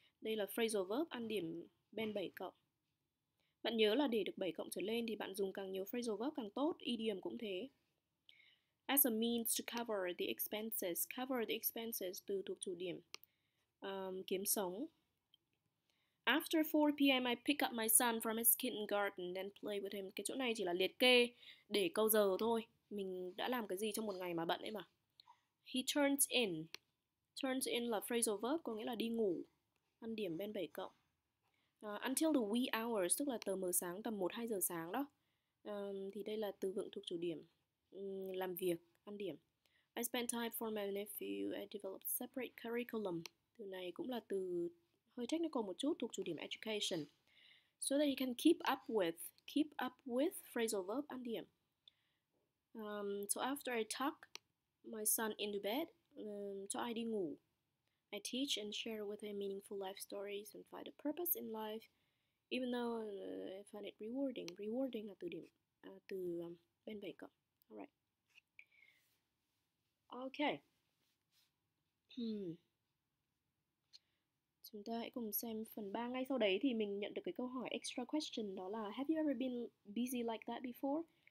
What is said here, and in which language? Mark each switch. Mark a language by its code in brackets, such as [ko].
[vi] Đây là phrasal verb ăn điểm bên 7 cộng. Bạn nhớ là để được 7 cộng trở lên thì bạn dùng càng nhiều phrasal verb càng tốt, idiom cũng thế. [en] As a means to cover the expenses, [vi] từ thuộc chủ điểm, kiếm sống. [en] After 4 p.m. I pick up my son from his kindergarten and play with him. [vi] Cái chỗ này chỉ là liệt kê để câu giờ thôi. Mình đã làm cái gì trong một ngày mà bận ấy mà. [en] He turns in. [vi] Turns in là phrasal verb, có nghĩa là đi ngủ. Ăn điểm bên 7 cộng. [en] Until the wee hours, [vi] tức là tờ mờ sáng, tầm 1-2 giờ sáng đó. Thì đây là từ vựng thuộc chủ điểm. Làm việc, ăn điểm. [en] I spend time for my nephew. I developed separate curriculum. [vi] Từ này cũng là từ hơi technical một chút, thuộc chủ điểm education. [en] So that you can keep up with phrasal verb, [vi] ăn điểm. [en] So after I tuck my son into bed, [vi] cho ai đi ngủ. [en] I teach and share with him meaningful life stories and find a purpose in life, even though I find it rewarding. [vi] Rewarding là từ điểm, từ bên 7 cộng. [en] Alright. Okay. [vi] Chúng ta hãy cùng xem phần 3. Ngay sau đấy thì mình nhận được cái câu hỏi extra question, đó là [en] Have you ever been busy like that before?